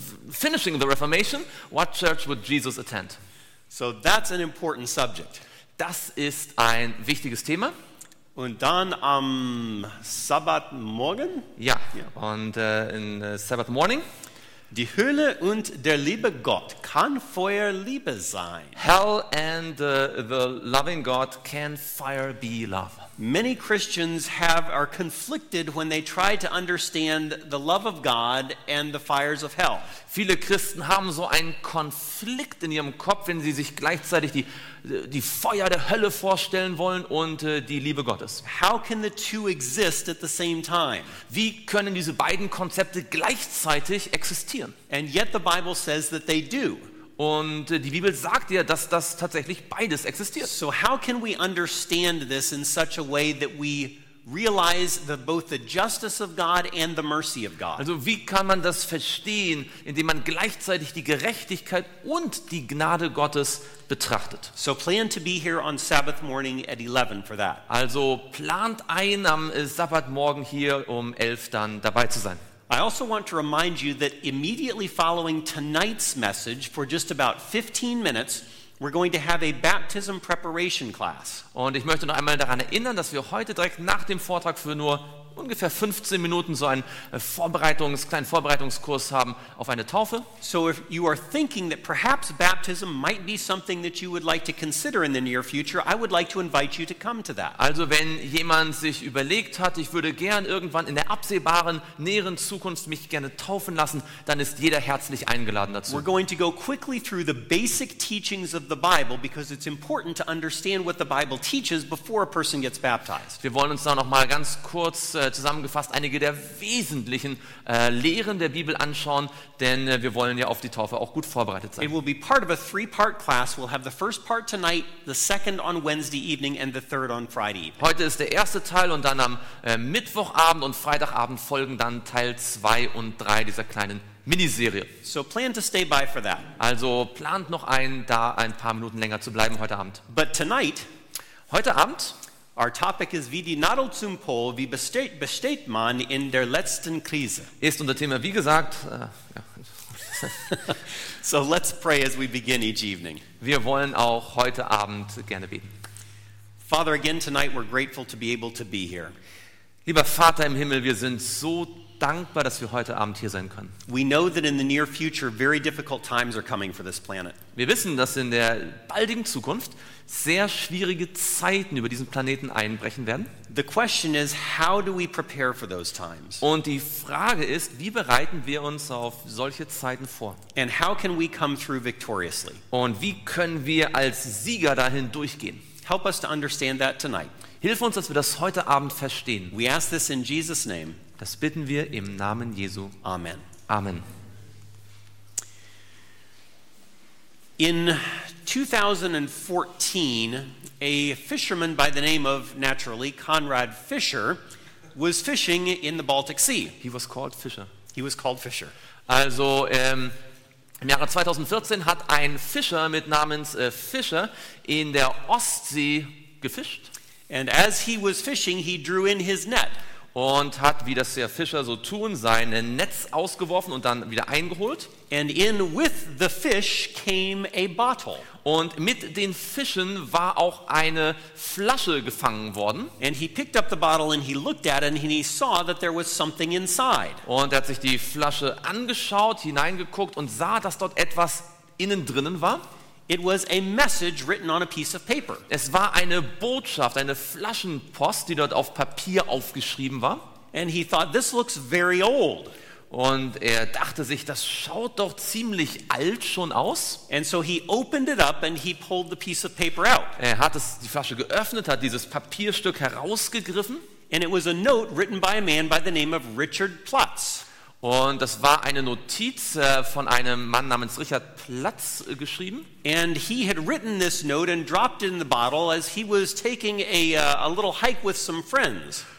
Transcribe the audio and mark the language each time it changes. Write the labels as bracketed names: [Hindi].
[English] Finishing the Reformation, what church would Jesus attend? So that's an important subject. [German] Das ist ein wichtiges Thema. Und dann am Sabbatmorgen? Ja, yeah. Und in Sabbath morning? Die Hölle und der liebe Gott kann Feuer Liebe sein. [English] Hell and the loving God can fire be love. Many Christians are conflicted when they try to understand the love of God and the fires of hell. [German] Viele Christen haben so einen Konflikt in ihrem Kopf, wenn sie sich gleichzeitig die Feuer der Hölle vorstellen wollen und die Liebe Gottes. [English] How can the two exist at the same time? [German] Wie können diese beiden Konzepte gleichzeitig existieren? [English] And yet the Bible says that they do. [German] Und die Bibel sagt ja, dass das tatsächlich beides existiert. [English] So how can we understand this in such a way that we realize that both the justice of God and the mercy of God? [German] Also wie kann man das verstehen, indem man gleichzeitig die Gerechtigkeit und die Gnade Gottes betrachtet? [English] So plan to be here on Sabbath morning at 11 for that. [German] Also plant ein, am Sabbatmorgen hier um 11 dann dabei zu sein. [English] I also want to remind you that immediately following tonight's message, for just about 15 minutes, we're going to have a baptism preparation class. [German] Und ich möchte noch einmal daran erinnern, dass wir heute direkt nach dem Vortrag für nur ungefähr 15 Minuten so einen kleinen Vorbereitungskurs haben auf eine Taufe. [English] So if you are thinking that perhaps baptism might be something that you would like to consider in the near future, I would like to invite you to come to that. [German] Also wenn jemand sich überlegt hat, ich würde gern irgendwann in der absehbaren näheren Zukunft mich gerne taufen lassen, dann ist jeder herzlich eingeladen dazu. [English] We're going to go quickly through the basic teachings of the Bible because it's important to understand what the Bible teaches before a person gets baptized. [German] Wir wollen uns da noch mal ganz kurz zusammengefasst einige der wesentlichen Lehren der Bibel anschauen, denn wir wollen ja auf die Taufe auch gut vorbereitet sein. [English] It will be part of a three-part class. We'll have the first part tonight, the second on Wednesday evening, and the third on Friday evening. [German] Heute ist der erste Teil und dann am Mittwochabend und Freitagabend folgen dann Teil 2 und 3 dieser kleinen Miniserie. [English] So plan to stay by for that. [German] Also plant noch ein, da ein paar Minuten länger zu bleiben heute Abend. [English] But tonight, [German] heute Abend, [English] our topic is wie die Nadel zum Pol, wie besteht man in der letzten Krise. [German] Ist unser Thema, wie gesagt. [English] So let's pray as we begin each evening. [German] Wir wollen auch heute Abend gerne beten. [English] Father, again tonight we're grateful to be able to be here. [German] Lieber Vater im Himmel, wir sind so dankbar, dass wir heute Abend hier sein können. [English] We know that in the near future very difficult times are coming for this planet. [German] Wir wissen, dass in der baldigen Zukunft sehr schwierige Zeiten über diesen Planeten einbrechen werden. [English] The question is, how do we prepare for those times? [German] Und die Frage ist, wie bereiten wir uns auf solche Zeiten vor? [English] And how can we come through victoriously? [German] Und wie können wir als Sieger dahin durchgehen? [English] Help us to understand that tonight. [German] Hilf uns, dass wir das heute Abend verstehen. [English] We ask this in Jesus' name. [German] Das bitten wir im Namen Jesu. [English] Amen. [German] Amen. [English] In 2014, a fisherman by the name of, naturally, Conrad Fischer, was fishing in the Baltic Sea. He was called Fischer. He was called Fischer. [German] Also, im Jahre 2014 hat ein Fischer mit namens Fischer in der Ostsee gefischt. [English] And as he was fishing, he drew in his net. [German] Und hat, wie das der Fischer so tun, sein Netz ausgeworfen und dann wieder eingeholt. [English] And in with the fish came a bottle. [German] Und mit den Fischen war auch eine Flasche gefangen worden. [English] And he picked up the bottle and he looked at it and he saw that there was something inside. [German] Und er hat sich die Flasche angeschaut, hineingeguckt und sah, dass dort etwas innen drinnen war. [English] It was a message written on a piece of paper. [German] Es war eine Botschaft, eine Flaschenpost, die dort auf Papier aufgeschrieben war. [English] And he thought, this looks very old. [German] Und er dachte sich, das schaut doch ziemlich alt schon aus. [English] And so he opened it up and he pulled the piece of paper out. [German] Er hat es, die Flasche geöffnet, hat dieses Papierstück herausgegriffen. [English] And it was a note written by a man by the name of Richard Plutz. [German] Und das war eine Notiz von einem Mann namens Richard Plutz geschrieben. [English] And he had written this note and dropped it in the bottle as he was taking a little hike with some friends.